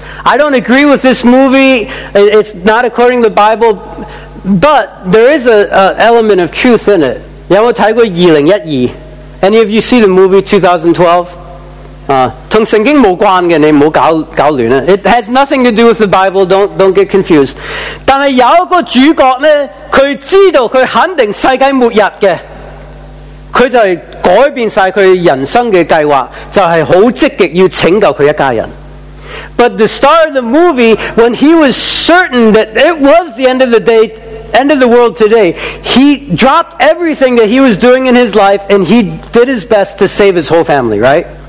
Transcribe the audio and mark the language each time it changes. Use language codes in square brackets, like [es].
[en] I don't agree with this movie, it's not according to the Bible, but there is an element of truth in it. [zh] 有沒有看過2012? [en] Any of you see the movie 2012? [zh] 跟聖經無關的,你不要搞亂了。 [en] It has nothing to do with the Bible, don't get confused. [zh] 但是有一個主角呢, 他知道他肯定世界末日的, [en] but the star of the movie, when he was certain that it was the end of the day, end of the world today, he dropped everything that he was doing in his life and he did his best to save his whole family, right?